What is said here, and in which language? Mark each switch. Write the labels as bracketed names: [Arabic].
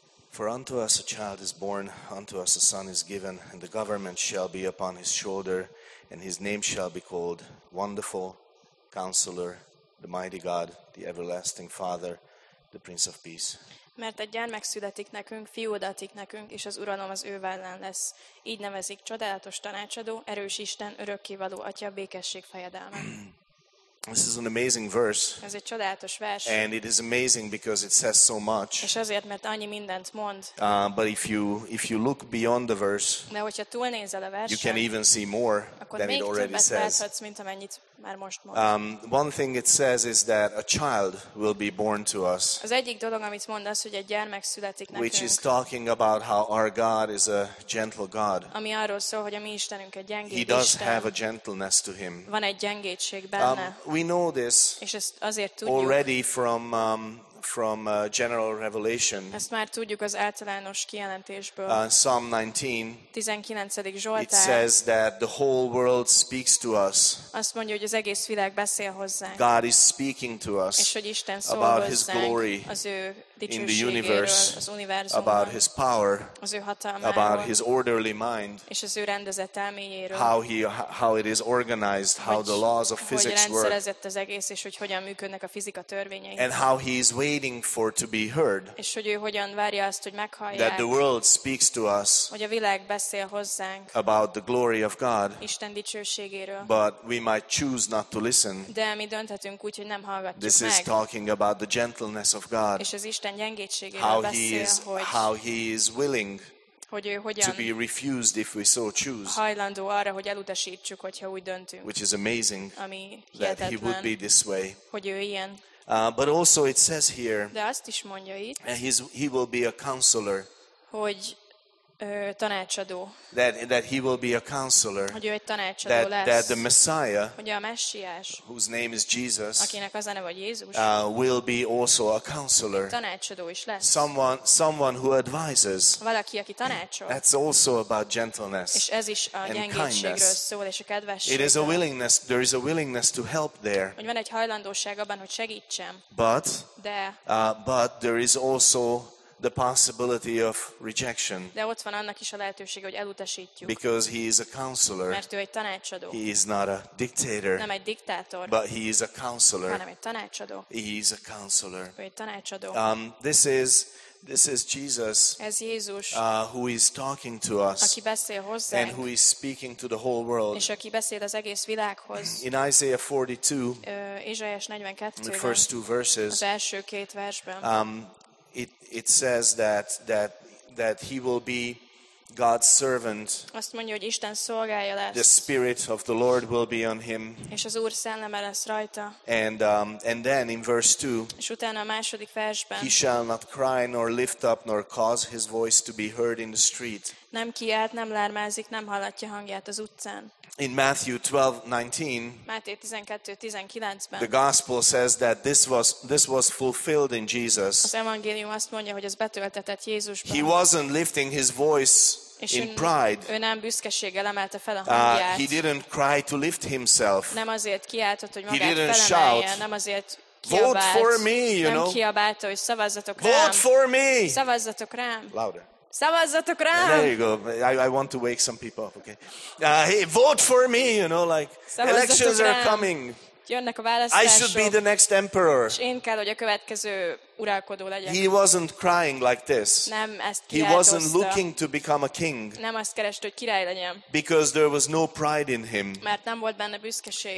[English] For unto us a child is born, unto us a son is given, and the government shall be upon his shoulder, and his name shall be called Wonderful Counselor, the Mighty God, the Everlasting Father, the Prince of Peace. [Hungarian] Mert egy gyermek születik nekünk, fiú adatik nekünk, és az uralom az ő vállán lesz. Így nevezik csodálatos tanácsadó, erős Isten, örökkévaló atya, békesség fejedelme. [English] This is an amazing verse. [Hungarian] Ez egy csodálatos vers. [English] And it is amazing because it says so much. [Hungarian] És azért, mert annyi mindent mond. [English] But if you look beyond the verse, [Hungarian] de hogyha túlnézel a versen, [English] you can even see more than it already says. [Hungarian] Mint amennyit már most mond. [English] One thing it says is that a child will be born to us. [Hungarian] Az egyik dolog, amit mond, az, hogy egy gyermek születik nekünk. [English] Which is talking about how our God is a gentle God. [Hungarian] Ami arról szól, hogy a mi Istenünk egy gyengéd [English] Isten. He does have a gentleness to him. [Hungarian] Van egy gyengédség benne. [English] We know this already from general revelation. [Hungarian] Ezt már tudjuk az általános kijelentésből. [English] Psalm 19. [Hungarian] 19. Zsoltár. [English] It says that the whole world speaks to us. [Hungarian] Azt mondja, hogy az egész világ beszél hozzánk. [English] God is speaking to us. [Hungarian] És hogy Isten szól [English] about his glory [Hungarian] az ő [English] in the universe, about his power, about his orderly mind, [Hungarian] és az ő rendezett elméjéről, [English] how it is organized, [Hungarian] hogy, [English] how the laws of physics work, [Hungarian] az egész, és hogy hogyan működnek a fizika törvényei, [English] and how he is waiting for to be heard, [Hungarian] és hogy ő hogyan várja azt, hogy meghallják, [English] that the world speaks to us, [Hungarian] hogy a világ beszél hozzánk, [English] about the glory of God, [Hungarian] Isten dicsőségéről, [English] but we might choose not to listen, [Hungarian] de mi dönthetünk úgy, hogy nem hallgatjuk [English] this [Hungarian] meg, [English] this is talking about the gentleness of God, [Hungarian] és az Isten gyengétségéről beszél, [English] how he is willing [Hungarian] hogy hogyan [English] to be refused if we so choose. [Hungarian] Hajlandó arra, hogy elutasítsuk, hogyha úgy döntünk. [English] Which is amazing. [Hungarian] Ami [English] that he would be this way. [Hungarian] Hogy ő ilyen. [English] But also it says here. [Hungarian] De azt is mondja itt. [English] He will be a counselor. [Hungarian] Hogy tanácsadó. [English] That he will be a counselor. [Hungarian] Hogy ő egy tanácsadó [English] that, [Hungarian] lesz. [English] That the Messiah. [Hungarian] Hogy a Messiás. [English] Whose name is Jesus. [Hungarian] Akinek az a neve Jézus. [English] Will be also a counselor. [Hungarian] Tanácsadó is lesz. [English] Someone who advises. [Hungarian] Valaki, aki tanácsol. [English] That's also about gentleness. [Hungarian] És ez is a gyengédségről szól és a kedvességről. [English] It is a willingness. There is a willingness to help there. [Hungarian] Hogy van egy hajlandóság abban, hogy segítsem. [English] But. [Hungarian] De. [English] But there is also the possibility of rejection. [Hungarian] De ott van annak is a lehetőség, hogy elutasítjuk. [English] Because he is a counselor. [Hungarian] Mert ő egy tanácsadó. [English] He is not a dictator. [Hungarian] Nem egy diktátor. [English] But he is a counselor. [Hungarian] Hanem egy tanácsadó. [English] He is a counselor. [Hungarian] Ő egy tanácsadó. [English] This is Jesus. [Hungarian] Ez Jézus. [English] Who is talking to us. [Hungarian] Aki beszél hozzánk. [English] And who is speaking to the whole world. [Hungarian] És aki beszél az egész világhoz. [English] In Isaiah 42. [Hungarian] Ézsaiás 42. [English] The first two verses. [Hungarian] Az első két versben. [English] It says that he will be God's servant. [Hungarian] Azt mondja, hogy Isten szolgája lesz. [English] The spirit of the Lord will be on him. [Hungarian] És az Úr szelleme lesz rajta. [English] And then in verse 2. [Hungarian] És utána a második versben. [English] He shall not cry nor lift up nor cause his voice to be heard in the street. [Hungarian] Nem kiált, nem lármázik, nem hallatja hangját az utcán. [English] In Matthew 12:19, [Hungarian] Máté 12:19-ben, [English] the gospel says that this was fulfilled in Jesus. [Hungarian] Az evangélium azt mondja, hogy ez betöltetett Jézusban. [English] He wasn't lifting his voice in pride. [Hungarian] Ő nem büszkeséggel emelte fel a hangját. [English] He didn't cry to lift himself. [Hungarian] Nem azért kiáltott, hogy magát felemelje. Nem azért kiabált. [English] Vote for me, you [Hungarian] nem [English] know. [Hungarian] Nem kiabálta, hogy szavazzatok [English] vote [Hungarian] rám. [English] Vote for me. [Hungarian] Szavazzatok rám. [English] Louder. [Hungarian] Szavazzatok rám! [English] There you go. I want to wake some people up, okay? Hey, vote for me, you know, like elections [Hungarian] rám. [English] Are coming. [Hungarian] Jönnek a választások. [English] I should be the next emperor. [Hungarian] És én kell, hogy a következő uralkodó legyek. [English] He wasn't crying like this. [Hungarian] Nem ezt kiáltozta. [English] He wasn't looking to become a king. [Hungarian] Nem azt kereste, hogy király legyen. [English] Because there was no pride in him. [Hungarian] Mert nem volt benne büszkeség.